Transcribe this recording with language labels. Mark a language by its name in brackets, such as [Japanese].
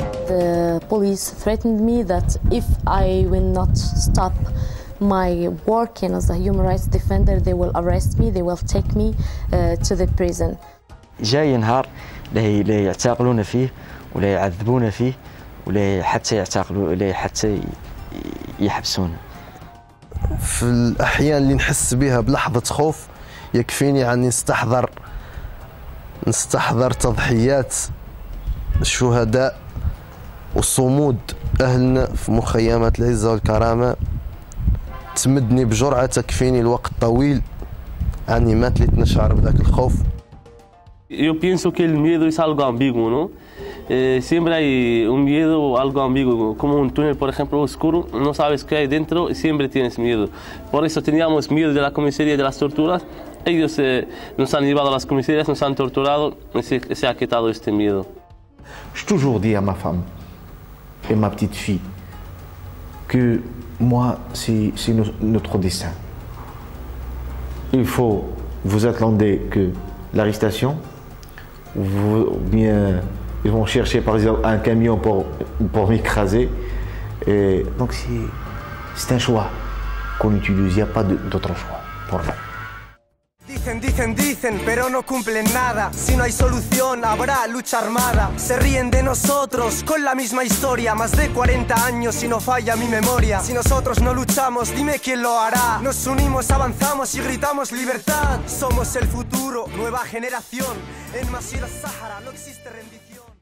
[English] The police threatened me that if I will not stop my working as a human rights defender, they will arrest me, they will take me to the prison. [Arabic] جاي نهار لا يعتقلون فيه ولا يعذبون فيه ولا حتى يعتقلوا ولا حتى يحبسون. في الأحيان اللي نحس بها بلحظة خوف يكفيني عني نستحضر تضحيات الشهداء وصمود أهلنا في مخيمات العزة والكرامة. تمدني بجرعة تكفيني الوقت طويل عني ما تليت نشعر بذاك الخوف. [Portuguese] Eu penso que o medo é algo ambíguo, não? [Spanish] siempre hay un miedo o algo ambiguo, como un túnel, por ejemplo, oscuro, no sabes qué hay dentro y siempre tienes miedo. Por eso teníamos miedo de la comisaría y de las torturas. Ellos nos han llevado a las comisarías, nos han torturado y se ha quitado este miedo. [French] Je toujours dis à ma femme et ma petite fille que moi, c'est notre destin. Il faut vous attendre que l'arrestation, vous, bien, ils vont chercher par exemple un camion pour m'écraser. Et donc c'est un choix qu'on utilise, il n'y a pas d'autre choix pour nous. [Spanish] Dicen, pero no cumplen nada. Si no hay solución, habrá lucha armada. Se ríen de nosotros con la misma historia. Más de 40 años y no falla mi memoria. Si nosotros no luchamos, dime quién lo hará. Nos unimos, avanzamos y gritamos libertad. Somos el futuro, nueva generación. En Masjid al-Sahara no existe rendición.